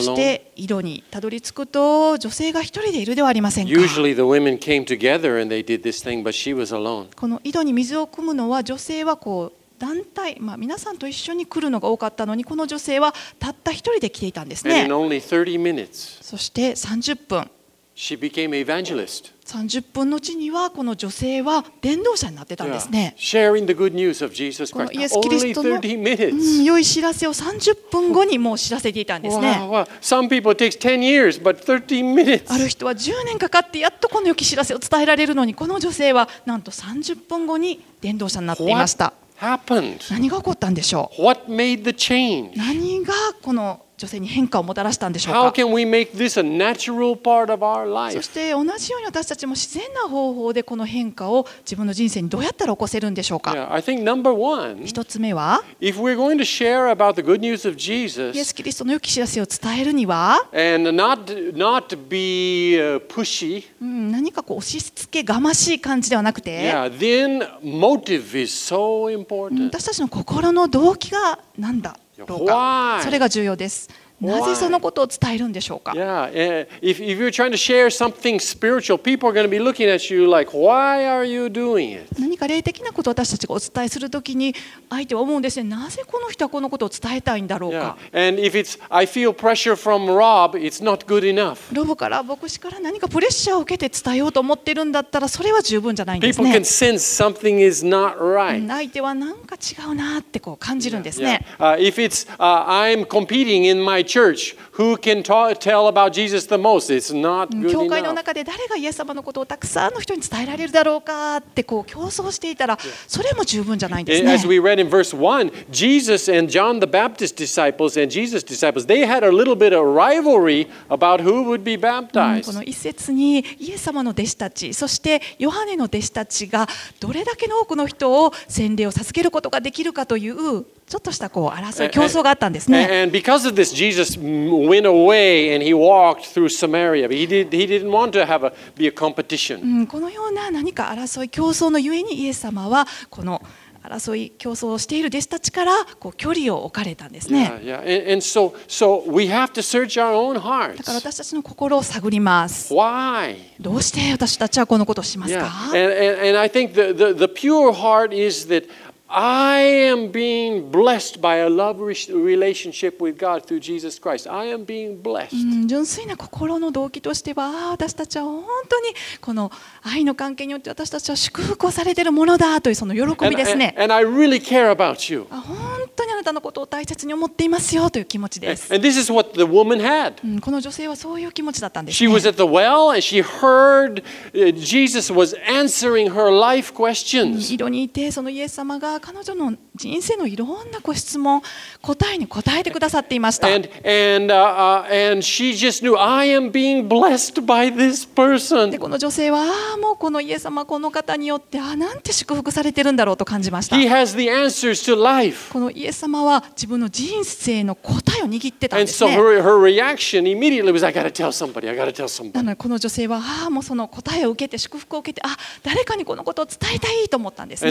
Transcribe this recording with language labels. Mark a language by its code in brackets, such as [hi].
[ja] そして井戸にたどり着くと女性が一人でいるではありませんか。 [en] Usually the women came together and they did this thing, but she was alone. [ja] この井戸に水を汲むのは女性はこう団体、まあ、皆さんと一緒に来るのが多かったのに、この女性はたった一人で来ていたんですね。 [en] minutes, [ja] そして30分、30分のうちにはこの女性は伝道者になってたんですね。 yeah, このイエス・キリストの良い知らせを30分後にもう知らせていたんですね。 [en] years, [ja] ある人は10年かかってやっとこの良き知らせを伝えられるのに、この女性はなんと30分後に伝道者になっていました。 [en] Happened. [ja] 何が起こったんでしょう。 [en] What made the change? [ja] 何がこの女性に変化をもたらしたんでしょうか。 [en] How can we make this a natural part of our life? [ja] そして同じように私たちも自然な方法でこの変化を自分の人生にどうやったら起こせるんでしょうか。 [en] Yeah, I think number one, [ja] 一つ目は、 [en] If we're going to share about the good news of Jesus, [ja] イエス・キリストの良き知らせを伝えるには、 [en] And not be pushy, [ja] 何かこう押しつけがましい感じではなくて、 [en] Yeah, then motive is so important. [ja] 私たちの心の動機が何だ、それが重要です。なぜそのことを伝えるんでしょうか。 [en] If you're trying to share something spiritual, people are going to be looking at you like, why are you doing it? [ja] 何か霊的なことを私たちがお伝えするときに相手は思うんですね。なぜこの人はこのことを伝えたいんだろうか。 [en] And if it's, I feel pressure from Rob, it's not good enough. [ja] ロブから牧師から何かプレッシャーを受けて伝えようと思ってるんだったらそれは十分じゃないんですね。 [en] People can sense something is not right. [ja] 相手は何か違うなってこう感じるんですね。 [en] If it's, I'm competing in my church, who can tell about Jesus the most? It's not good enough. [ja] 教会の中で誰がイエス様のことをたくさんの人に伝えられるだろうかってこう競争していたらそれも十分じゃないんですね。 [en] As we read in verse 1, Jesus and John the Baptist disciples and Jesus' disciples, they had a little bit of rivalry about who would be baptized. [ja] この一節にイエス様の弟子たち、そしてヨハネの弟子たちがどれだけの多くの人を洗礼を授けることができるかというちょっとしたこう争い競争があったんですね。 [en] And because of this, Jesus went away and he walked through Samaria. He didn't want to be a competition. [ja] このような何か争い競争のゆえにイエス様はこの争い競争をしている弟子たちからこう距離を置かれたんですね。 [en] And so we have to search our own hearts. [ja] だから私たちの心を探ります。 [en] Why? [ja] どうして私たちはこのことをしますか。 [en] And I think the pure heart is thatI am being blessed by a love relationship with God through Jesus Christ. I am being blessed. [ja] 純粋な心の動機としては、私たちは本当にこの愛の関係によって私たちは祝福をされているものだというその喜びですね。 [en] And I really care about you. [ja] 本当にあなたのことを大切に思っていますよという気持ちです。 [en] And this is what the woman had. [ja] この女性はそういう気持ちだったんですね。 [en] She was at the well and she heard Jesus was answering her life questions. [ja] 井戸にいてそのイエス様が彼女の人生のいろんなご質問答えに答えてくださっていました。 [en] And she just knew, I am being blessed by this person. [ja] でこの女性はもうこのイエス様この方によってなんて祝福されてるんだろうと感じました。 [en] He has the answers to life. [ja] このイエス様は自分の人生の答えを握ってたんですね。 [en] And so her reaction immediately was, I gotta tell somebody. [ja] なのでこの女性はもうその答えを受けて祝福を受けて誰かにこのことを伝えたいと思ったんですね。